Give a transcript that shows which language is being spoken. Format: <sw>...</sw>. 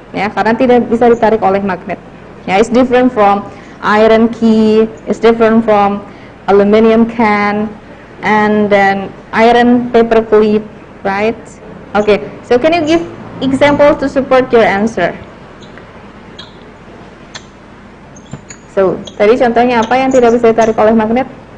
<id>Ya, karena tidak bisa ditarik oleh magnet.</id> <en>Ya, it's different from iron key, it's different from aluminium can, and then iron paper clip, right? Okay, so can you give example to support your answer?</en> <id>So, tadi contohnya apa yang tidak bisa ditarik oleh magnet?</id>